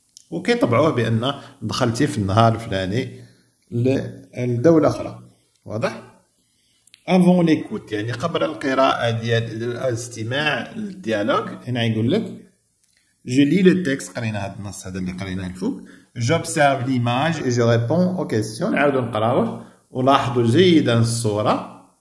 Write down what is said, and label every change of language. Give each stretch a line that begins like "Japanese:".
Arabic: وكيطبعوه بان دخلتي في النهار الفلاني لدوله اخرى. واضح،
French: avant l'écoute،
Arabic: يعني قبل القراءه ديال الاستماع للديالوج. هنا يقول لك
French: je lis le texte،
Arabic: قرينا هذا النص هذا اللي قرينا الفوق.
French: J'observe l'image et je réponds aux questions.
Arabic: نعاودو نقراوه ولاحظوا جيدا الصوره